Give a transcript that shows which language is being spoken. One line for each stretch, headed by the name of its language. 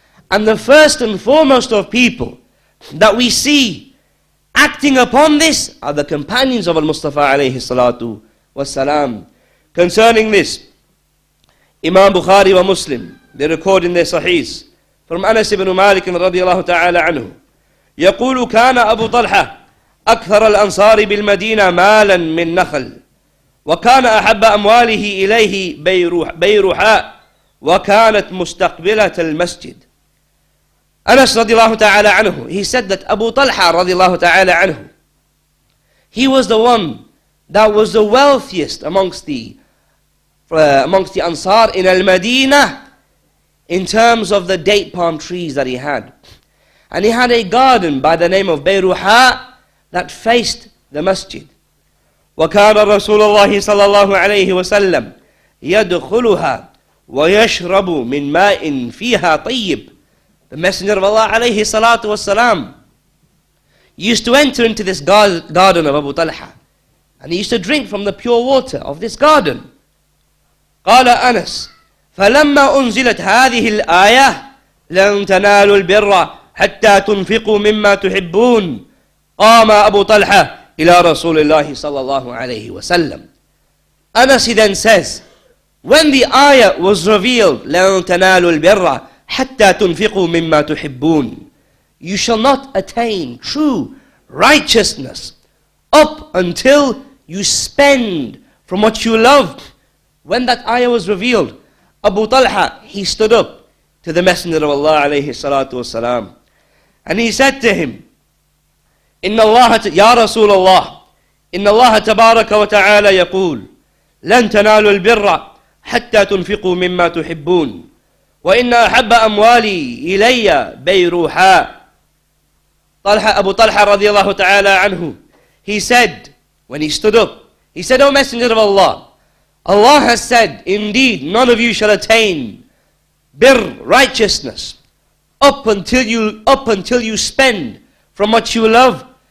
English: And the first and foremost of people that we see acting upon this are the companions of Al-Mustafa alayhi salatu wasalam. Concerning this, Imam Bukhari wa Muslim, they record in their sahihs, from Anas ibn Malik radiallahu ta'ala anhu,
Arabic: يقول: كان أبو طلحة أكثر الأنصار بالمدينة مالا من نخل، وكان أحب أمواله إليه بيروحاء، وكانت مستقبلة المسجد. أنس رضي الله تعالى عنه،
English: he said that أبو طلحة
Arabic: رضي الله تعالى عنه,
English: he was the one that was the wealthiest amongst the Ansar in Al-Madina in terms of the date palm trees that he had. And he had a garden by the name of Bayruha that faced the masjid.
Arabic: وَكَانَ رَسُولَ اللَّهِ صَلَى اللَّهُ عَلَيْهِ وَسَلَّمْ يَدْخُلُهَا وَيَشْرَبُ مِنْ مَاءٍ فِيهَا طَيِّبٍ.
English: The Messenger of Allah
Arabic: عَلَيْهِ صَلَاةُ وَالسَّلَامُ
English: used to enter into this garden of Abu Talha, and he used to drink from the pure water of this garden.
Arabic: قَالَ أَنَسْ فَلَمَّا أُنْزِلَتْ هَذِهِ الْآيَةِ لَنْ تَنَالُوا الْبِرَّ حتى تنفقوا مما تحبون. قام أبو طلحة إلى رسول الله صلى الله عليه وسلم.
English: Anas then says, when the ayah was revealed,
Arabic: لن تنالوا البر حتى تنفقوا مما تحبون,
English: you shall not attain true righteousness up until you spend from what you love. When that ayah was revealed, Abu طلحة, he stood up to the Messenger of Allah
Arabic: عليه الصلاة والسلام.
English: And he said to him,
Arabic: إِنَّ اللَّهَ يَا رَسُولَ اللَّهِ إِنَّ اللَّهَ تَبَارَكَ وَتَعَالَى يَقُولُ لَنْ تَنَالُوا الْبِرَّ حَتَّى تُنْفِقُوا مِمَّا تُحِبُّونَ وَإِنَّ أَحَبَّ أَمْوَالِي إِلَيَّ بَيْرُوحَا.
English: طلحة, أبو طلحة
Arabic: رضي الله تعالى عنه,
English: he said, when he stood up, he said, O Messenger of Allah, Allah has said, indeed, none of you shall attain birr, righteousness, up until you spend from what you love.